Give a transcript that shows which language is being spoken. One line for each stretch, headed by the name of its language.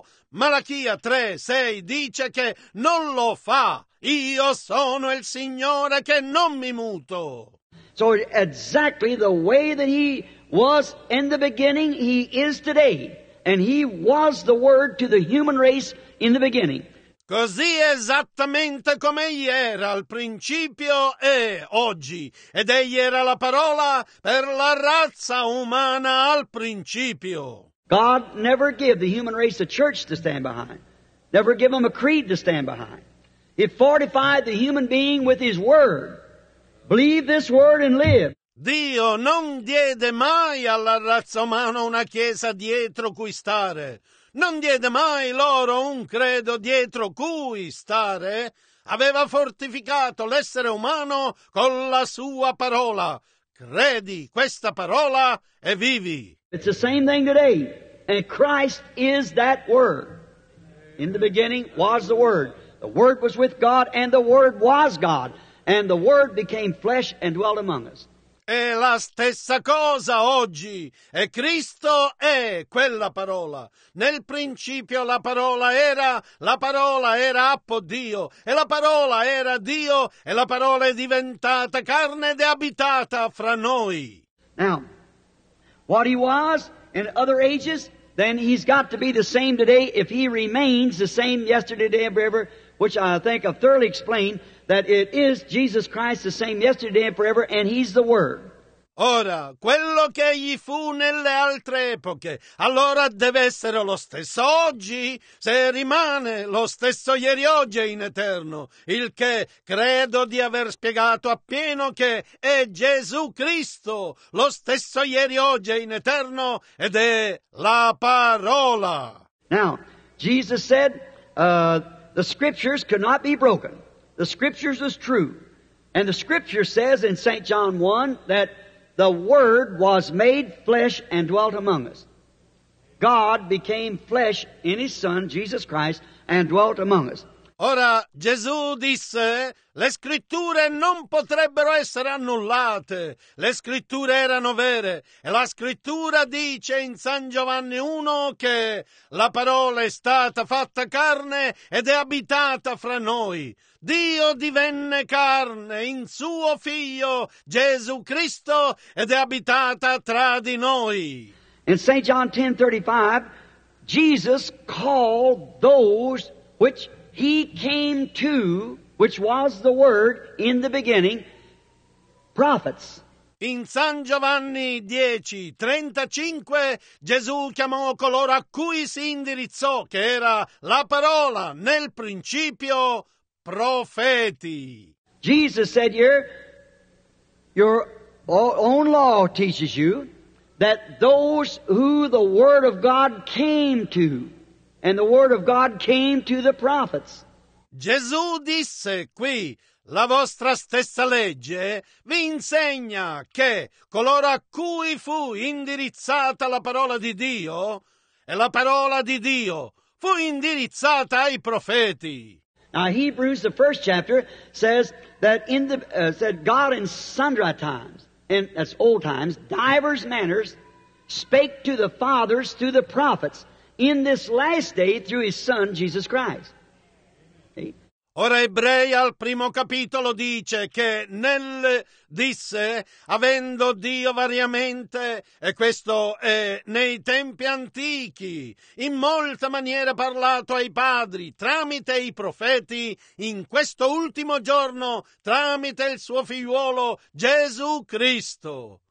Italian: Malachia 3:6 dice che non lo fa. Io sono il Signore che non mi muto.
English: So exactly the way that He was in the beginning, He is today. And He was the Word to the human race in the beginning.
Italian: Così esattamente come Egli era al principio e oggi. Ed Egli era la parola per la razza umana al principio.
English: God never gave the human race a church to stand behind. Never gave them a creed to stand behind. He fortified the human being with His Word. Believe this word and live.
Italian: Dio non diede mai alla razza umana una chiesa dietro cui stare. Non diede mai loro un credo dietro cui stare. Aveva fortificato l'essere umano con la sua parola. Credi questa parola e vivi.
English: It's the same thing today. And Christ is that word. In the beginning was the word. The word was with God and the word was God. And the Word became flesh and dwelt among us.
Italian: È la stessa cosa oggi, e Cristo è quella parola. Nel principio la parola era appo Dio, e la parola era Dio, e la parola è diventata carne ed è abitata fra noi.
English: Now, what he was in other ages, then he's got to be the same today if he remains the same yesterday, today, and forever, which I think I've thoroughly explained, that it is Jesus Christ the same yesterday and forever, and he's the Word.
Italian: Ora, quello che egli fu nelle altre epoche, allora deve essere lo stesso oggi, se rimane lo stesso ieri oggi in eterno, il che credo di aver spiegato appieno che è Gesù Cristo, lo stesso ieri oggi in eterno, ed è la parola.
English: Now, Jesus said, the scriptures could not be broken. The scriptures is true. And the scripture says in St. John 1 that the Word was made flesh and dwelt among us. God became flesh in His Son, Jesus Christ, and dwelt among us.
Italian: Ora, Gesù disse, le scritture non potrebbero essere annullate. Le scritture erano vere. E la scrittura dice in San Giovanni 1 che la parola è stata fatta carne ed è abitata fra noi. Dio divenne carne in suo figlio, Gesù Cristo, ed è abitata tra di noi.
English: In St. John 10:35, Jesus called those which He came to, which was the Word in the beginning, prophets.
Italian: In San Giovanni 10:35, Gesù chiamò coloro a cui si indirizzò, che era la parola, nel principio, profeti.
English: Jesus said here, your own law teaches you that those who the Word of God came to, and the Word of God came to the prophets.
Italian: Gesù disse qui, la vostra stessa legge vi insegna che coloro a cui fu indirizzata la parola di Dio e la parola di Dio fu indirizzata ai profeti.
English: Now Hebrews, the first chapter, says that in the said God in sundry times, and that's old times, divers manners spake to the fathers through the prophets in this last day through His Son, Jesus Christ.
Italian: Ora Ebrei al primo capitolo dice che nel disse, avendo Dio variamente, e questo è nei tempi antichi, in molta maniera parlato ai padri, tramite i profeti, in questo ultimo giorno, tramite il suo figliuolo, Gesù Cristo.